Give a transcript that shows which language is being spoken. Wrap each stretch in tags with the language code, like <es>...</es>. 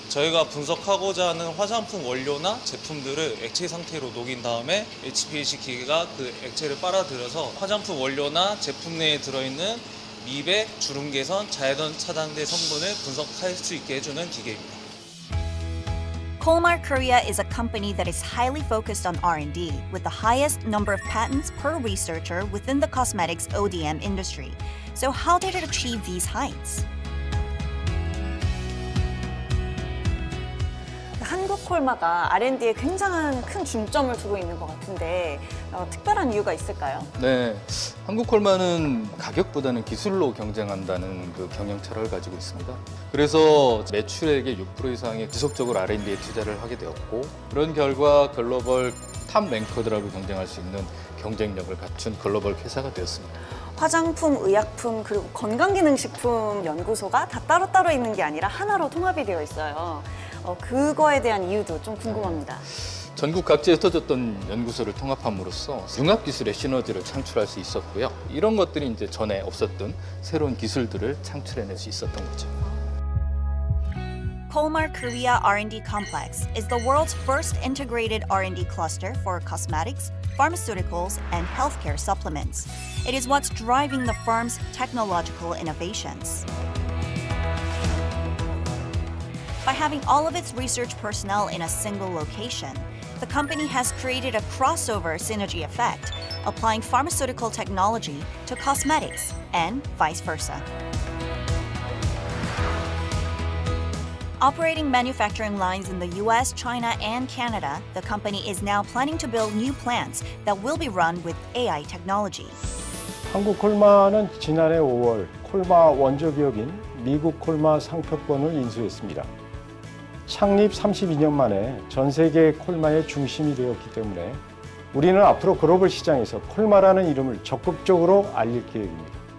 <ko>저희가 분석하고자 하는 화장품 원료나 제품들을 액체 상태로 녹인 다음에 HTAC 기계가 그 액체를 빨아들여서 화장품 원료나 제품 내에 들어있는 미백, 주름 개선, 자외선 차단제 성분을 분석할 수 있게 해주는 기계입니다.</ko> <en>KOLMAR Korea is a company that is highly focused on R&D with the highest number of patents per researcher within the cosmetics ODM industry. So how did it achieve these heights?</en> <ko>한국 콜마가 R&D에 굉장한 큰 중점을 두고 있는 것 같은데 특별한 이유가 있을까요? 네, 한국 콜마는 가격보다는 기술로 경쟁한다는 그 경영 철학을 가지고 있습니다. 그래서 매출액의 6% 이상의 지속적으로 R&D에 투자를 하게 되었고 그런 결과 글로벌 탑 랭커들하고 경쟁할 수 있는 경쟁력을 갖춘 글로벌 회사가 되었습니다. 화장품, 의약품, 그리고 건강기능식품 연구소가 다 따로따로 있는 게 아니라 하나로 통합이 되어 있어요. 그거에 대한 이유도 좀 궁금합니다. 전국 각지에 흩어졌던 연구소를 통합함으로써 융합기술의 시너지를 창출할 수 있었고요. 이런 것들이 이제 전에 없었던 새로운 기술들을 창출해낼 수 있었던 거죠.</ko> <en>KOLMAR Korea R&D Complex is the world's first integrated R&D cluster for cosmetics, pharmaceuticals, and healthcare supplements. It is what's driving the firm's technological innovations. By having all of its research personnel in a single location, the company has created a crossover synergy effect, applying pharmaceutical technology to cosmetics and vice versa. Operating manufacturing lines in the US, China, and Canada, the company is now planning to build new plants that will be run with AI technology.</en> <ko>한국 콜마는 지난해 5월 콜마 원조 기업인 미국 콜마 상표권을 인수했습니다. 창립 32년 만에 전 세계 콜마의 중심이 되었기 때문에 우리는 앞으로 글로벌 시장에서 콜마라는 이름을 적극적으로 알릴 계획입니다.</ko>